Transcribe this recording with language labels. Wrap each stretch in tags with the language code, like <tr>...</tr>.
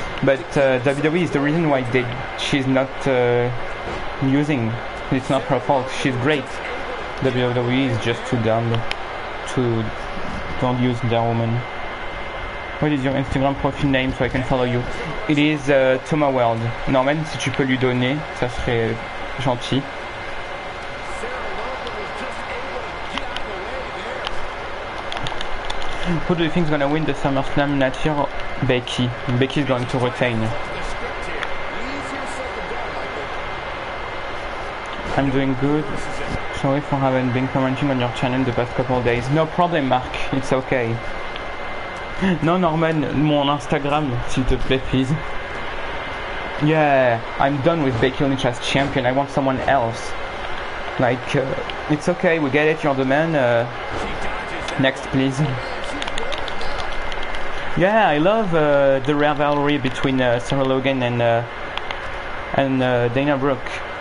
<en>But WWE is the reason why she's not using. It's not her fault. She's great. WWE is just too dumb to don't use their woman. What is your Instagram profile name so I can follow you? It is Thomas World.</en> <fr>Norman, si tu peux lui donner, ça serait gentil.</fr> <en>Who do you think is gonna win the SummerSlam match? Becky. Becky is going to retain. I'm doing good. Sorry for having been commenting on your channel the past couple of days. No problem, Mark. It's okay.</en> <fr>Non, Norman, mon Instagram, s'il te plaît,</fr> <en>please. Yeah, I'm done with Becky Lynch as champion. I want someone else. Like, it's okay, we get it, you're the man. Next, please. Yeah, I love the rivalry between Sarah Logan and Dana Brooke.</en>